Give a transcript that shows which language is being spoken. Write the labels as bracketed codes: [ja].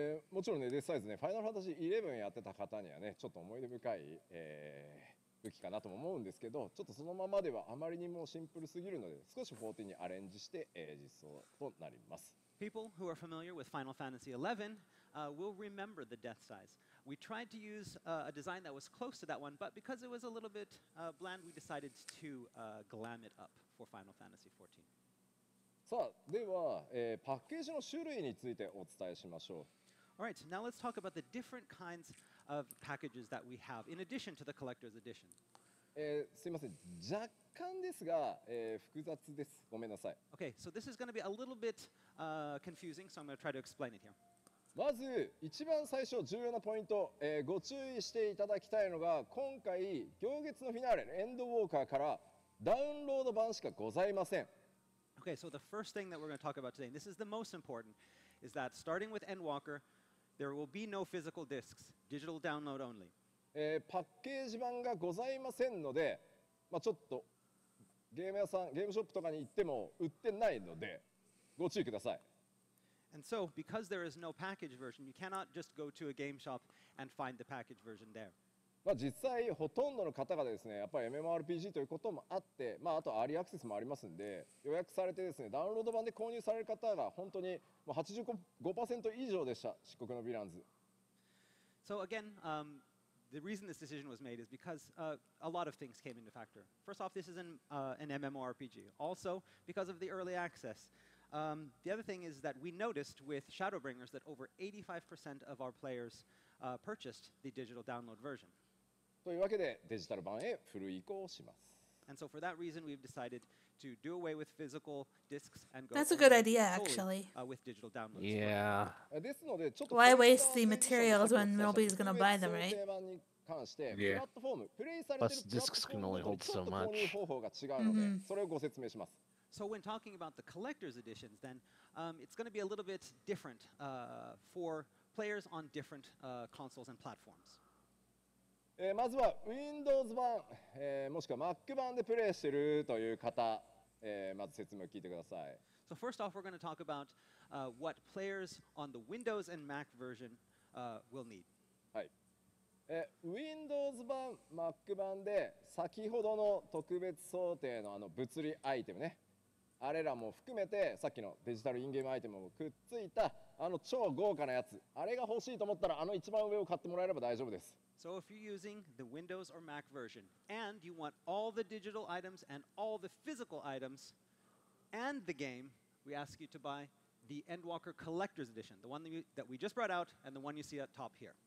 [ja] もちろんね、Death Scythe ね、ファイナルファンタジー11やってた方にはね、ちょっと思い出深い、武器かなとも思うんですけど、ちょっとそのままではあまりにもシンプルすぎるので、少し14にアレンジして、実装となります。 [en] People who are familiar with Final Fantasy XI will remember the Death Scythe. We tried to use a design that was close to that one, but because it was a little bit bland, we decided to glam it up for Final Fantasy XIV. [ja] さあ、では、パッケージの種類についてお伝えしましょう。 [en] Alright, now let's talk about the different kinds of packages that we have in addition to the collector's edition. [ja] すいません、若干ですが、複雑です。ごめんなさい。 [en] Okay, so this is going to be a little bit confusing, so I'm going to try to explain it here. [ja] まず、一番最初、重要なポイント、ご注意していただきたいのが、今回、行月のフィナーレ、エンドウォーカーからダウンロード版しかございません。 [en] Okay, so the first thing that we're going to talk about today, and this is the most important,is that starting with Endwalker, there will be no physical discs, digital download only. [ja] パッケージ版がございませんので、まあ、ちょっとゲーム屋さん、ゲームショップとかに行っても売ってないので、ご注意ください。 [en] And so, because there is no package version, you cannot just go to a game shop and find the package version there. [ja] まあ実際、ほとんどの方がですね、やっぱり MMORPG ということもあって、まあ、あとアーリーアクセスもありますんで、予約されてですね、ダウンロード版で購入される方が本当に 85% 以上でした、漆黒のヴィランズ。 [en] So again, the reason this decision was made is because a lot of things came into factor. First off, this is an MMORPG. Also, because of the early access. The other thing is that we noticed with Shadowbringers that over 85% of our players purchased the digital download version. [ja] というわけでデジタル版へフル移行します。 [en] And so for that reason, we've decided to do away with physical discs and go. That's a good idea, actually. With digital downloads. Yeah. [ja] ですのでちょっと。 [en] Why waste the materials when nobody's gonna buy them, right? Yeah. Plus, discs can only hold so much. [ja] それをご説明します。 [en] So when talking about the collector's editions, then it's gonna be a little bit different for players on different consoles and platforms. [ja] まずは Windows 版、もしくは Mac 版でプレイしているという方、まず説明を聞いてください。 [en] So first off, we're going to talk about what players on the Windows and Mac version will need. [ja] はい。 Windows 版、Mac 版で先ほどの特別想定のあの物理アイテムね、あれらも含めてさっきのデジタルインゲームアイテムもくっついたあの超豪華なやつ、あれが欲しいと思ったらあの一番上を買ってもらえれば大丈夫です。 [en] So if you're using the Windows or Mac version, and you want all the digital items and all the physical items, and the game, we ask you to buy the Endwalker Collector's Edition, the one that we just brought out, and the one you see at top here.